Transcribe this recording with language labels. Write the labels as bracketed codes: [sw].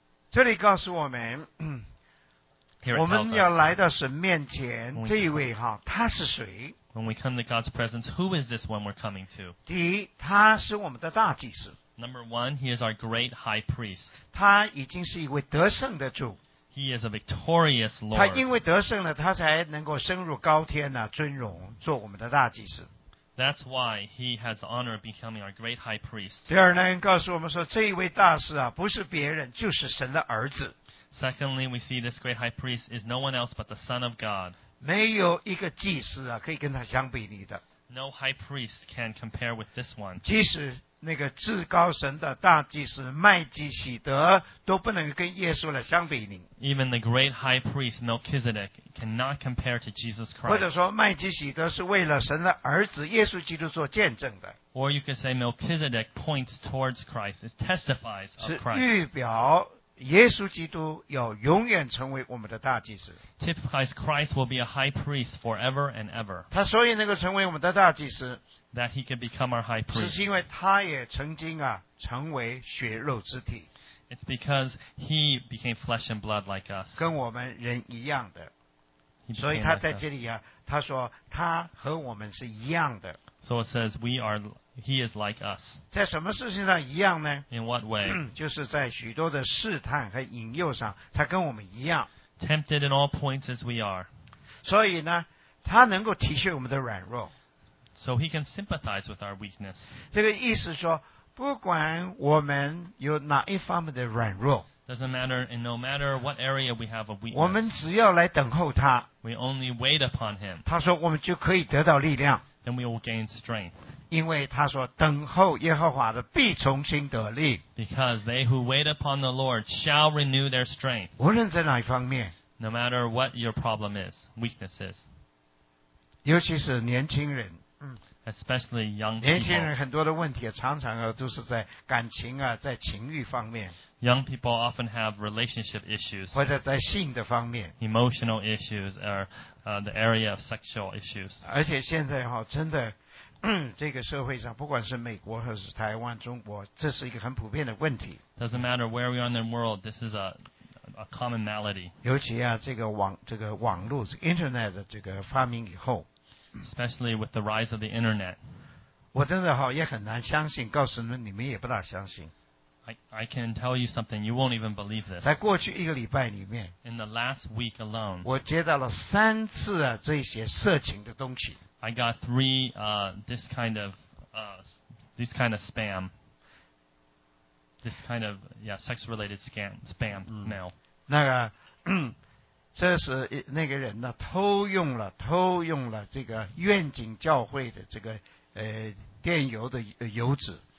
[zh] 这里告诉我们，我们要来到神面前，这一位哈，他是谁？ [en] When we come to God's presence, who is this one we're coming to? [zh] 第一，他是我们的大祭司。 [en] Number one, he is our great high priest. [zh] 他已经是一位得胜的主。 [en] He is a victorious Lord. [zh] 他因为得胜了，他才能够升入高天呐，尊荣做我们的大祭司。 [en] That's why he has the honor of becoming our great high priest. [zh] 第二呢，告诉我们说，这一位大师啊，不是别人，就是神的儿子。 [en] Secondly, we see this great high priest is no one else but the Son of God. [zh] 没有一个祭司啊，可以跟他相比拟的。 [en] No high priest can compare with this one. [zh] 即使那个至高神的大祭司麦基洗德都不能跟耶稣来相比拟。 [en] Even the great high priest Melchizedek cannot compare to Jesus Christ. [zh] 或者说麦基洗德是为了神的儿子耶稣基督做见证的。 [en] Or you can say Melchizedek points towards Christ. It testifies of Christ. [zh] 是预表耶稣基督要永远成为我们的大祭司。 [en] Typifies Christ will be a high priest forever and ever. [zh] 他所以能够成为我们的大祭司。 [en] That he can become our high priest. [zh] 是因为他也曾经啊成为血肉之体。 [en] It's because he became flesh and blood like us. [zh] 跟我们人一样的。所以他在这里啊，他说他和我们是一样的。 [en] So it says we are. He is like us. [zh] 在什么事情上一样呢 [en] ？In what way? [zh] 就是在许多的试探和引诱上，他跟我们一样。 [en] Tempted in all points as we are. [zh] 所以呢，他能够体恤我们的软弱。 [en] So he can sympathize with our weakness. [zh] 这个意思说，不管我们有哪一方面的软弱 [en] ，doesn't matter, and no matter what area we have a weakness. [zh] 我们只要来等候他 [en] ，we only wait upon him. [zh] 他说，我们就可以得到力量 [en] ，then we will gain strength. [zh] 因为他说，等候耶和华的必重新得力 [en] ，because they who wait upon the Lord shall renew their strength. [zh] 无论在哪一方面 [en] ，no matter what your problem is, weakness is. [zh] 尤其是年轻人。 [en] Especially young people. [zh] 年轻人很多的问题常常都是在感情啊，在情欲方面。 [en] Young people often have relationship issues. [zh] 或者在性的方面。 [en] Emotional issues or the area of sexual issues. [zh] 而且现在哈，真的，这个社会上，不管是美国还是台湾、中国，这是一个很普遍的问题。 [en] Doesn't matter where we are in the world, this is a common malady. [zh] 尤其啊，这个网络、这个、internet 的这个发明以后。 [en] Especially with the rise of the internet. [zh] 我真的好也很难相信，告诉你们，你们也不大相信。 [en] I can tell you something, you won't even believe this. [zh] 在过去一个礼拜里面 [en] ，In the last week alone, [zh] 我接到了三次啊这些色情的东西。 [en] I got three this kind of spam. This kind of yeah sex related spam mail. [zh] 那个。这是那个人呢，偷用了这个愿景教会的这个电邮的邮纸。